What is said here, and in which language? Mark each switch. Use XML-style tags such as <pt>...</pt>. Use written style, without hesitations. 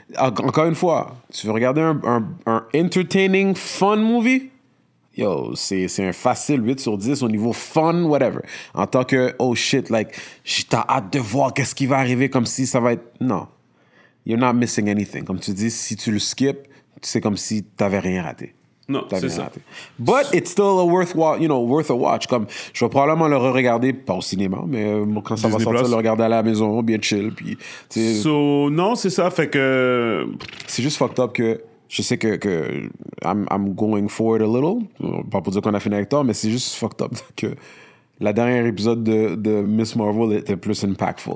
<fr>Encore une fois, tu veux regarder un</fr> <en>entertaining, fun movie? Yo,</en> <fr>c'est un facile 8 sur 10 au niveau fun, whatever. En tant que,</fr> <en>oh shit, like,</en> <fr>j'ai hâte de voir qu'est-ce qui va arriver, comme si ça va être... Non.</fr> <en>You're not missing anything.</en> <fr>Comme tu dis, si tu le skip, c'est comme si t'avais rien raté. Non, t'avais c'est ça. Raté.</fr> <en>But it's still a worthwhile, you know, worth a watch.</en> <fr>Comme, je vais probablement le re-regarder, pas au cinéma, mais quand ça Disney va sortir, Plus. Le regarder à la maison, bien chill. Puis,</fr> <en>so,</en> <fr>non, c'est ça, fait que... C'est juste fucked up que je sais que</fr> <en>I'm going forward a little.</en> <fr>Pas pour dire qu'on a fini avec toi, mais c'est juste fucked up que... La dernière épisode de Miss Marvel était plus impactful.</fr>